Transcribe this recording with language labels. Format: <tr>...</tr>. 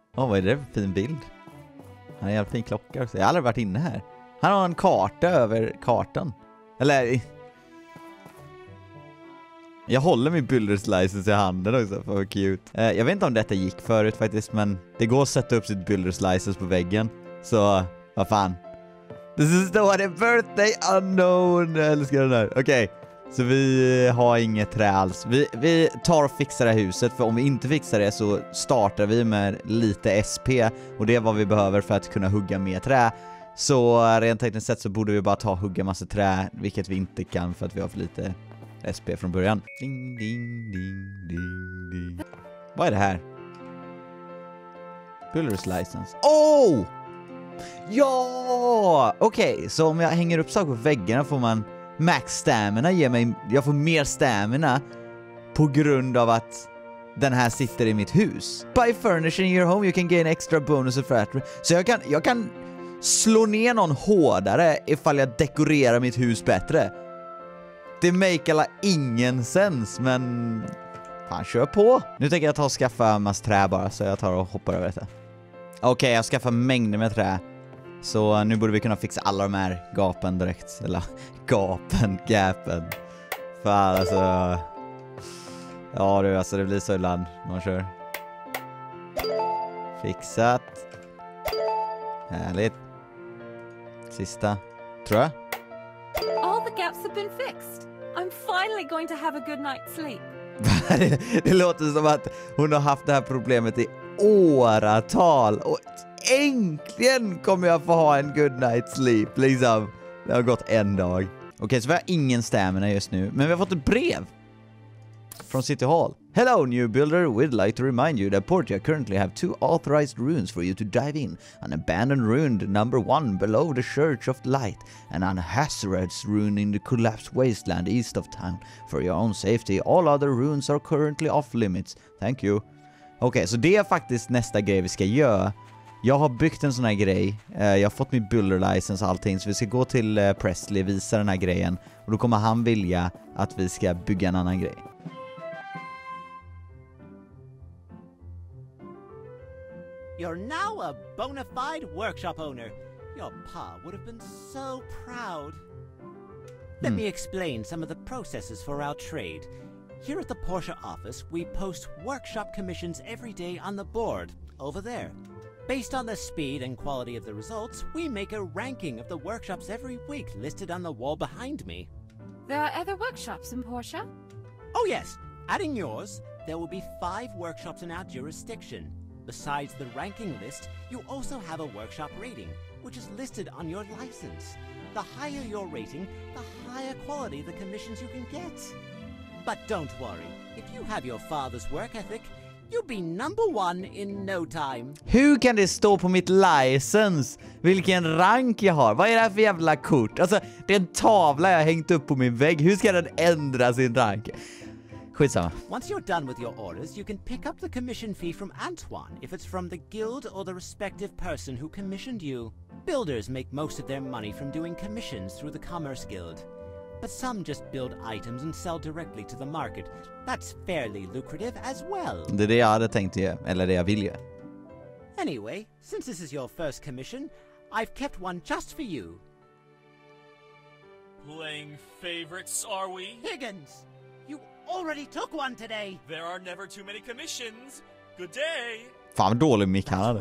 <sv>Åh, vad är det för fin bild? Han har en jävla fin klocka också. Jag har aldrig varit inne här. Han har en karta över kartan. Eller... Jag håller min builder's license i handen också, för vad cute. Jag vet inte om detta gick förut faktiskt, men det går att sätta upp sitt builder's license på väggen. Så, vad fan.</sv> <en>This is the one, birthday unknown.</en> <sv>Jag älskar den här. Okej, okay. Så vi har inget trä alls. Vi tar och fixar det här huset, för om vi inte fixar det så startar vi med lite SP. Och det är vad vi behöver för att kunna hugga mer trä. Så rent tekniskt sett så borde vi bara ta och hugga massa trä, vilket vi inte kan för att vi har för lite SP från början. Ding, ding, ding, ding, ding. Vad är det här? Builder's license. Oh! Ja! Okej, okay, så om jag hänger upp saker på väggarna får man max stamina ge mig. Jag får mer stamina på grund av att den här sitter i mitt hus.</sv> <en>By furnishing your home you can gain extra bonuses for that.</en> <sv>Så jag kan slå ner någon hårdare ifall jag dekorerar mitt hus bättre. Det make alla ingen sens, men fan, kör på. Nu tänker jag ta och skaffa en massa trä bara, så jag tar och hoppar över det. Okej, jag skaffar mängder med trä. Så nu borde vi kunna fixa alla de här gapen direkt. Eller gapen. Fan, alltså. Ja du, alltså det blir så ibland när man kör. Fixat. Härligt. Sista, tror jag.</sv> <en>All the gaps have been fixed. I'm finally going to have a good night's sleep.</en> <sv>Det låter som att hon har haft det här problemet i åratal. Och äntligen kommer jag få ha en</sv> <en>good night's sleep.</en> <sv>Liksom, det har gått en dag. Okej, så vi har ingen stamina just nu. Men vi har fått ett brev från City Hall.</sv> <en>Hello, new builder. We'd like to remind you that Portia currently have two authorized runes for you to dive in. An abandoned rune number one below the Church of Light and an Hazareth's rune in the collapsed wasteland east of town. For your own safety, all other runes are currently off limits. Thank you.</en> <sv>Okej, okay, så det är faktiskt nästa grej vi ska göra. Jag har byggt en sån här grej. Jag har fått min builder license och allting. Så vi ska gå till Presley och visa den här grejen. Och då kommer han vilja att vi ska bygga en annan grej.</sv> <en>You're now a bona fide workshop owner. Your pa would have been so proud. Let me explain some of the processes for our trade. Here at the Porsche office, we post workshop commissions every day on the board, over there. Based on the speed and quality of the results, we make a ranking of the workshops every week listed on the wall behind me. There are other workshops in Porsche? Oh yes, adding yours, there will be 5 workshops in our jurisdiction. Besides the ranking list, you also have a workshop rating, which is listed on your license. The higher your rating, the higher quality the commissions you can get. But don't worry, if you have your father's work ethic, you'll be number one in no time.</en> <sv>Hur kan det stå på mitt license? Vilken rank jag har? Vad är det här för jävla kort? Alltså, det är en tavla jag hängt upp på min vägg. Hur ska den ändra sin rank? Skitsamma.</sv> <en>Once you're done with your orders, you can pick up the commission fee from Antoine if it's from the guild or the respective person who commissioned you. Builders make most of their money from doing commissions through the Commerce Guild. But some just build items and sell directly to the market. That's fairly lucrative as well.</en> <sv>Det är det jag hade tänkt göra, eller det jag vill göra.</sv> <en>Anyway, since this is your first commission, I've kept one just for you. Playing favorites, are we? Higgins! Already took one today. There are never too many commissions. Good day.</en> <sv>Fan, dålig mick han hade.</sv>